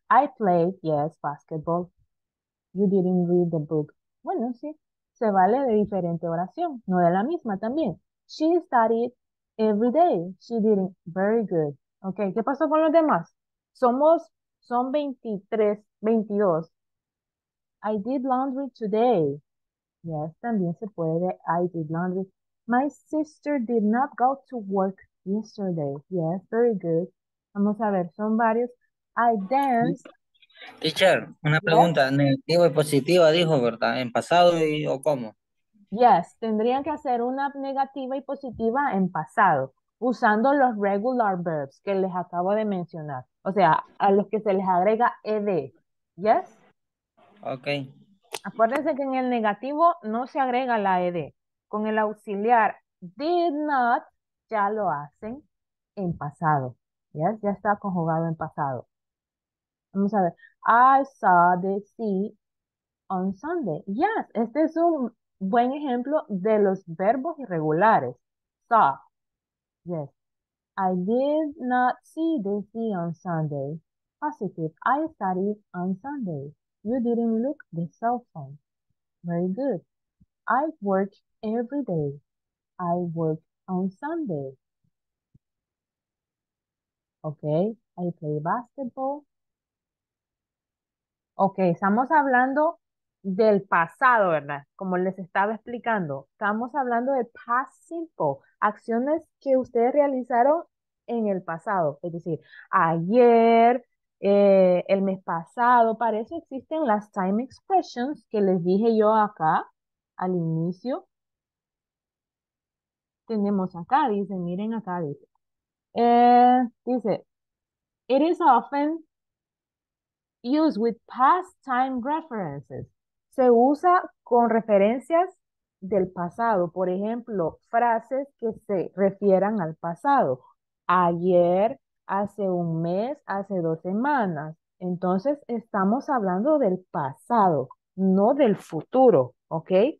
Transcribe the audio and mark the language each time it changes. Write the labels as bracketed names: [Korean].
[English] I played, yes, basketball. You didn't read the book. [Spanish] Bueno, sí. se vale de diferente oración, no de la misma también. [English] She studied every day. She did very good. [Spanish] Okay, ¿qué pasó con los demás? Son 23, 22. [English] I did laundry today. [Spanish] Yes, también se puede de [English] I did laundry. My sister did not go to work yesterday. Yes, very good. [Spanish] Vamos a ver, son varios. [English] I danced. [Spanish] Teacher, una pregunta, [English] yes. [Spanish] Negativa y positiva dijo, ¿verdad? ¿En pasado y, o cómo? Yes, tendrían que hacer una negativa y positiva en pasado, usando los regular verbs que les acabo de mencionar. O sea, a los que se les agrega ed. Yes? Ok. Acuérdense que en el negativo no se agrega la ed. Con el auxiliar did not, ya lo hacen en pasado. Yes, ya está conjugado en pasado. Vamos a ver. [English] I saw the sea on Sunday. [Spanish] Yes, este es un buen ejemplo de los verbos irregulares. [English] Saw. Yes. I did not see the sea on Sunday. Positive. I studied on Sunday. You didn't look the cell phone. Very good. I work every day. I work on Sunday. Okay. I play basketball. [Spanish] Ok, estamos hablando del pasado, ¿verdad? Como les estaba explicando, estamos hablando de past simple, acciones que ustedes realizaron en el pasado, es decir, ayer, el mes pasado. Para eso existen las time expressions que les dije yo acá al inicio. Tenemos acá, dice, miren acá, dice. [English] Dice, it is often used with past time references. [Spanish] Se usa con referencias del pasado. Por ejemplo, frases que se refieran al pasado. Ayer, hace un mes, hace dos semanas. Entonces, estamos hablando del pasado, no del futuro, ¿ok?